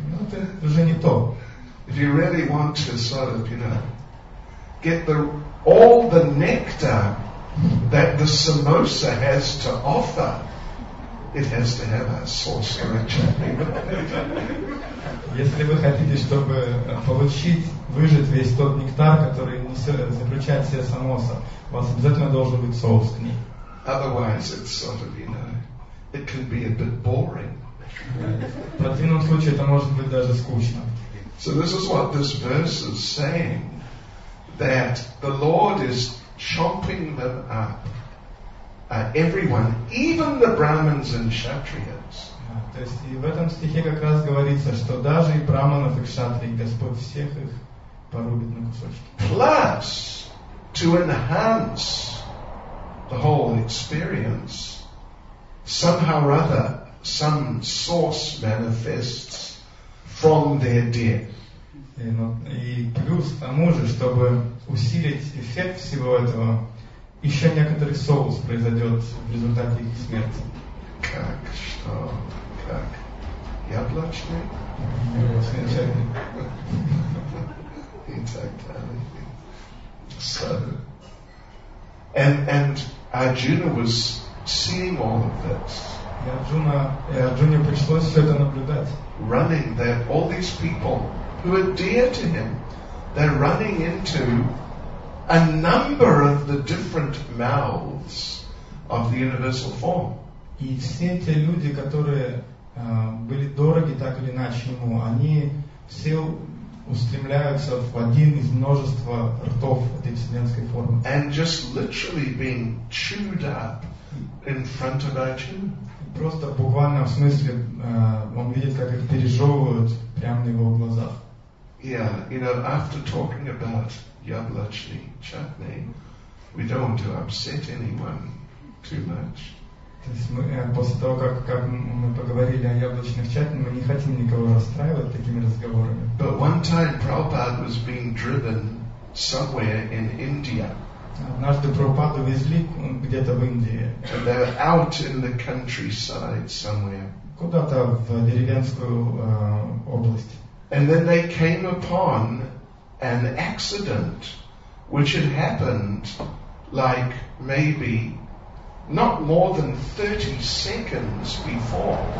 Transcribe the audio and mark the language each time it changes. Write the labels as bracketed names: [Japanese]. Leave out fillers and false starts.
[English] If you really want to sort of, you know, get all the nectar that the samosa has to offer, it has to have a sorcerer chutney. [Russian] Если вы хотите, чтобы получить, выжать весь тот нектар, который несет, заключает все самоса, у вас обязательно должен быть соус к ней. [English] Otherwise, it's sort of, you know, it can be a bit boring. [Russian] В противном случае это может быть даже скучно. [English] So this is what this verse is saying, that the Lord is chopping them up. Everyone, even the brahmins and kshatriyas. [Russian] То есть и в этом стихе как раз говорится, что даже и брахманов и кшатрий Господь всех их порубит на кусочки. [English] Plus, to enhance the whole experience, somehow or other, some source manifests from their death. [Russian] И плюс тому же, чтобы усилить эффект всего этого. Еще некоторый соус произойдет в результате их смерти. Как? Что? Как? Яблочный? Яблочный. И так далее. [English] So, and Arjuna was seeing all of this. [Russian] И Арджуне пришлось все это наблюдать. [English] Running, that all these people who are dear to him, they're running into a number of the different mouths of the universal form. [Russian] И все те люди, которые были дороги так или иначе ему, они все устремляются в один из множества ртов этой вселенской формы. [English] And just literally being chewed up in front of Arjuna. [Russian] Просто буквально в смысле он видит, как их пережевывают прямо на его глазах. [English] Yeah, you know, after talking about [Russian] Яблочный [English] чатни. We don't want to upset anyone too much. [Russian] То есть мы после того, как мы поговорили о яблочных чатни, мы не хотим никого расстраивать такими разговорами. [English] But one time Prabhupada was being driven somewhere in India. [Russian] Однажды Прабхупаду везли где-то в Индии. [English] And they were out in the countryside somewhere. [Russian] Куда-то в деревенскую область. [English] And then they came upon an accident which had happened like maybe not more than 30 seconds before.